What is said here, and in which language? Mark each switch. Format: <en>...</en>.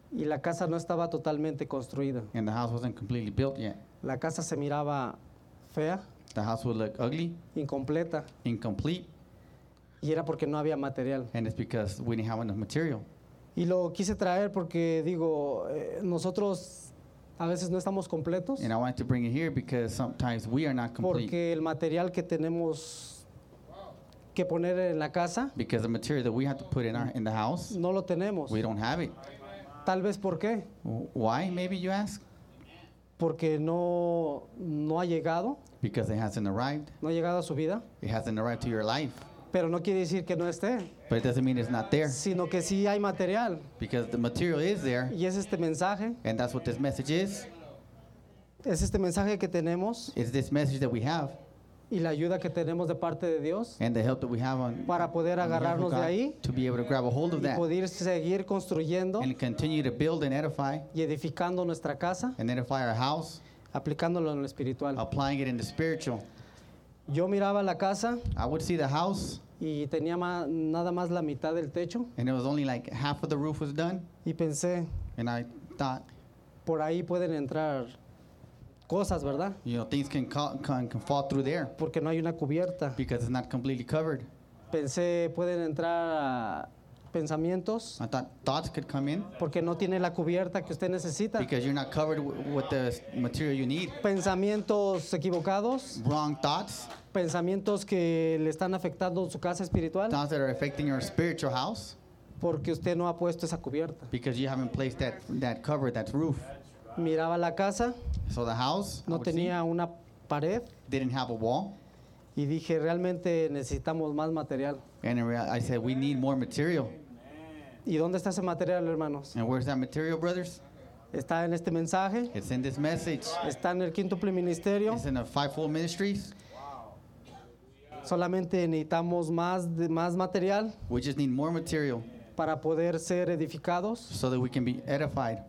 <es>Y la casa no estaba totalmente construida.</es> <en>And the house wasn't completely built yet.</en> <es>La casa se miraba fea.</es> <en>The house would look ugly.</en> <es>Incompleta.</es> <en>Incomplete.</en> <es>Y era porque no había material.</es> <en>And it's because we didn't have enough material.</en> <es>Y lo quise traer porque digo, nosotros a veces no estamos completos.</es> <en>And I wanted to bring it here because sometimes we are not complete.</en> <es>Porque el material que tenemos que poner en la casa.</es> <en>Because the material that we have to put in the house.</en> <es>No lo tenemos.</es> <en>We don't have it.</en> <es>Tal vez por qué.</es> <en>Why, maybe you ask?</en> <es>Porque no ha llegado.</es> <en>Because it hasn't arrived.</en> <es>No ha llegado a su vida.</es> <en>It hasn't arrived to your life.</en> <es>Pero no quiere decir que no esté.</es> <en>But it doesn't mean it's not there.</en> <es>Sino que sí hay material.</es> <en>Because the material is there.</en> <es>Y es este mensaje.</es> <en>And that's what this message is.</en> <es>Es este mensaje que tenemos.</es> <en>It's this message that we have.</en> <es>Y la ayuda que tenemos de parte de Dios.</es> <en>And the help that we have</en> <es>para poder agarrarnos de ahí.</es> <en>To be able to grab a hold of that.</en> <es>Y poder seguir construyendo.</es> <en>And continue to build and edify.</en> <es>Y edificando nuestra casa.</es> <en>And edify our house.</en> <es>Aplicándolo en lo espiritual.</es> <en>Applying it in the spiritual.</en> <es>Yo miraba la casa.</es> <en>I would see the house.</en> <es>Y tenía nada más la mitad del techo.</es> <en>And it was only like half of the roof was done.</en> <es>Y pensé.</es> <en>And I thought.</en> <es>Por ahí pueden entrar cosas, ¿verdad?</es> <en>You know, things can fall through there.</en> <es>Porque no hay una cubierta.</es> <en>Because it's not completely covered.</en> <es>Pensé, pueden entrar pensamientos.</es> <en>I thought thoughts could come in.</en> <es>Porque no tiene la cubierta que usted necesita.</es> <en>Because you're not covered with the material you need.</en> <es>Pensamientos equivocados.</es> <en>Wrong thoughts.</en> <es>Pensamientos que le están afectando su casa espiritual.</es> <en>Thoughts that are affecting your spiritual house.</en> <es>Porque usted no ha puesto esa cubierta.</es> <en>Because you haven't placed that cover, that roof.</en> <es>Miraba la casa.</es> <en>So the house,</en> <es>no tenía</es> <en>see,</en> <es>una pared.</es> <en>Didn't have a wall.</en> <es>Y dije, realmente necesitamos más material.</es> <en>And in reality, I said, we need more material.</en> <es>¿Y dónde está ese material, hermanos?</es> <en>And where's that material, brothers?</en> <es>Está en este mensaje.</es> <en>It's in this message.</en> <es>Está en el quíntuple ministerio.</es> <en>It's in the fivefold ministries.</en> <es>Solamente necesitamos más material.</es> <en>We just need more material.</en> <es>Para poder ser edificados.</es> <en>So that we can be edified.</en>